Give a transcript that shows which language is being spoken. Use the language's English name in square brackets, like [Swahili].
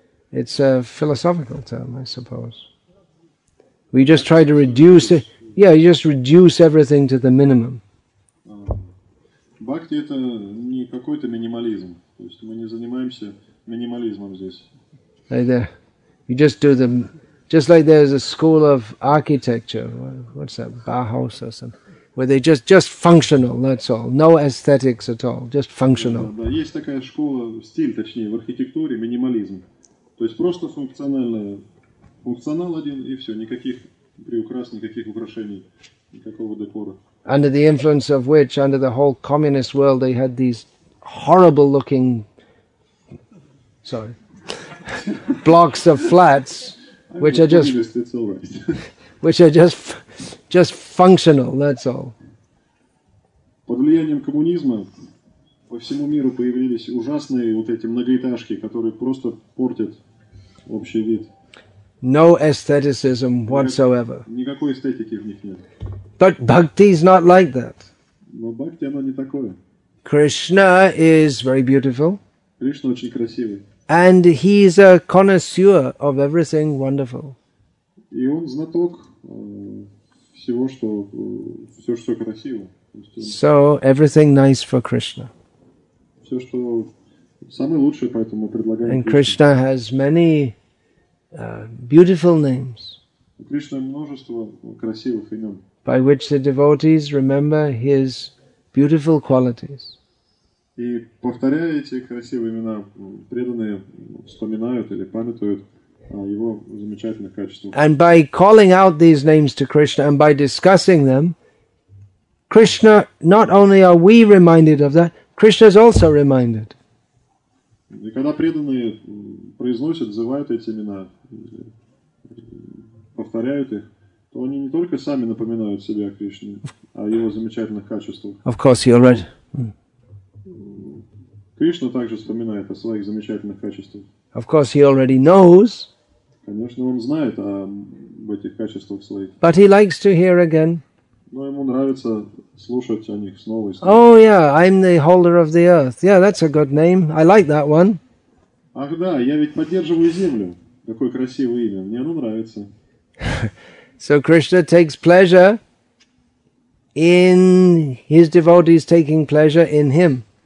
[English] It's a philosophical term, I suppose. We just try to reduce it. Yeah, you just reduce everything to the minimum. [Russian] Бхакти – это не какой-то минимализм. То есть мы не занимаемся минимализмом здесь. [English] Like that. You just do the… Just like there's a school of architecture. What's that? Bauhaus or something. where they just functional, that's all. No aesthetics at all, just functional. [Russian] Да, есть такая школа, стиль, точнее, в архитектуре, минимализм. То есть просто функционал один, и все, никаких приукрас, никаких украшений, никакого декора. [English] Under the influence of which, under the whole communist world, they had these horrible looking, blocks of flats, which are just, it's all right. which are just functional, that's all. [Russian] Под влиянием коммунизма по всему миру появились ужасные вот эти многоэтажки, которые просто портят общий вид. [English] No aestheticism whatsoever. [Russian] Никакой эстетики в них нет. [English] But bhakti is not like that. [Russian] Но бхакти оно не такое. [English] Krishna is very beautiful. [Russian] Кришна очень красивый. [English] And he is a connoisseur of everything wonderful. [Russian] И он знаток всего, что все, что красиво. [English] So everything nice for Krishna. [Russian] Все, что самое лучшее, поэтому предлагаем. [English] And Krishna has many beautiful names. [Russian] У Кришны множество красивых имен. [English] By which the devotees remember his beautiful qualities. [Russian] И повторяя эти красивые имена, преданные вспоминают или памятуют его замечательных качествах. [English] And by calling out these names to Krishna and by discussing them, Krishna, not only are we reminded of that, Krishna is also reminded. [Russian] И когда преданные произносят, называют эти имена, повторяют их, то они не только сами напоминают себе о Кришне, а о его замечательных качествах. [English] Of course, you're right. [Russian] Кришна также вспоминает о своих замечательных качествах. [English] Of course, he already knows. [Russian] Конечно, он знает об этих качествах своих. [English] But he likes to hear again. [Russian] Но ему нравится слушать о них снова и снова. [English] Oh yeah, I'm the holder of the earth. Yeah, that's a good name. I like that one. [Russian] Ах да, я ведь поддерживаю землю. Какое красивое имя. Мне оно нравится. [English] So Krishna takes pleasure in his devotees taking pleasure in him.